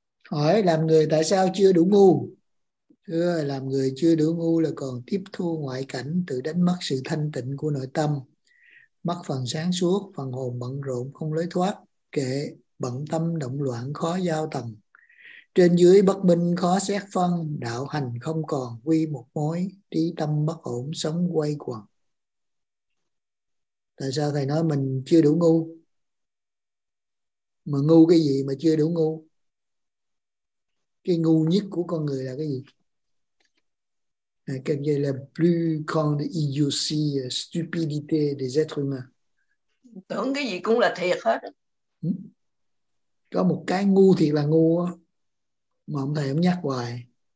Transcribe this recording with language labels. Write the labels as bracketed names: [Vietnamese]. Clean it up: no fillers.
[Vietnamese] Hỏi làm người tại sao chưa đủ ngu? Thưa, làm người chưa đủ ngu là còn tiếp thu ngoại cảnh, tự đánh mất sự thanh tịnh của nội tâm, mất phần sáng suốt, phần hồn bận rộn không lối thoát, kệ bận tâm động loạn khó giao tầm, trên dưới bất minh khó xét phân, đạo hành không còn quy một mối, trí tâm bất ổn sống quay quần. Tại sao thầy nói mình chưa đủ ngu? Mà ngu cái gì mà chưa đủ ngu? Cái ngu nhất của con người là cái gì? [French] Quelle est la plus grande idiotie, stupidité des êtres humains? [Vietnamese] Tưởng cái gì cũng là thiệt hết. Có một cái ngu thiệt là ngu mà ông thầy ông nhắc hoài.